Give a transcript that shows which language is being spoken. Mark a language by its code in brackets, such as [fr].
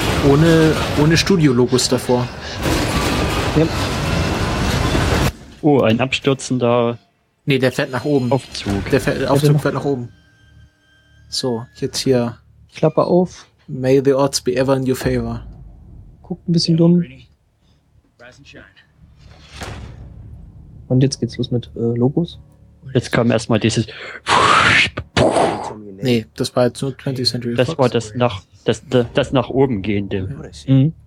[de] Ohne Studio-Logos davor. Ja. Oh, ein abstürzender. Nee, der fährt nach oben. Aufzug. Der Aufzug fährt nach oben. So, jetzt hier. Klappe auf. [en] May the odds be ever in your favor. [de] Guckt ein bisschen dumm. [en] Rise and shine. [de] Und jetzt geht's los mit Logos. Jetzt kam erstmal dieses. Nee, das war jetzt nur 20th Century Fox. Das war das nach oben gehende. Mhm.